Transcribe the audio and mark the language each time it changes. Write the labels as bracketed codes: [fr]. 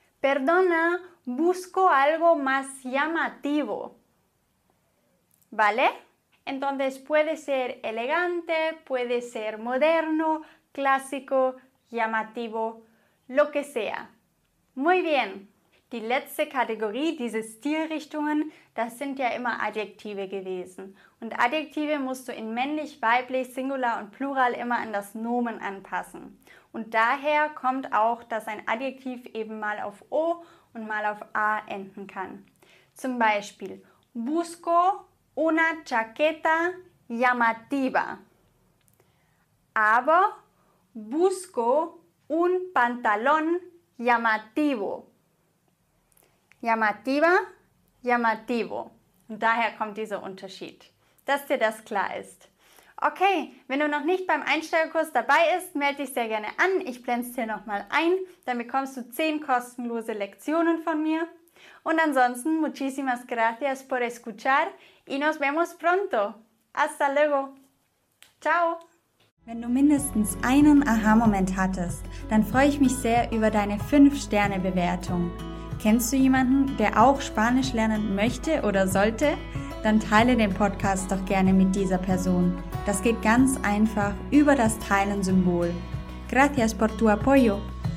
[es] Perdona, busco algo más llamativo. ¿Vale? Entonces puede ser elegante, puede ser moderno, clásico, llamativo, lo que sea. Muy bien. [de] Die letzte Kategorie, diese Stilrichtungen, das sind ja immer Adjektive gewesen. Und Adjektive musst du in männlich, weiblich, Singular und Plural immer an das Nomen anpassen. Und daher kommt auch, dass ein Adjektiv eben mal auf O und mal auf A enden kann. Zum Beispiel, [es] busco una chaqueta llamativa. [de] Aber [es] busco un pantalón llamativo. Llamativa, llamativo. [de] Und daher kommt dieser Unterschied, dass dir das klar ist. Okay, wenn du noch nicht beim Einsteigerkurs dabei bist, melde dich sehr gerne an. Ich blende es dir nochmal ein. Dann bekommst du 10 kostenlose Lektionen von mir. Und ansonsten, [es] muchísimas gracias por escuchar y nos vemos pronto. Hasta luego. Ciao. [de] Wenn du mindestens einen Aha-Moment hattest, dann freue ich mich sehr über deine 5-Sterne-Bewertung. Kennst du jemanden, der auch Spanisch lernen möchte oder sollte? Dann teile den Podcast doch gerne mit dieser Person. Das geht ganz einfach über das Teilen-Symbol. [es] Gracias por tu apoyo.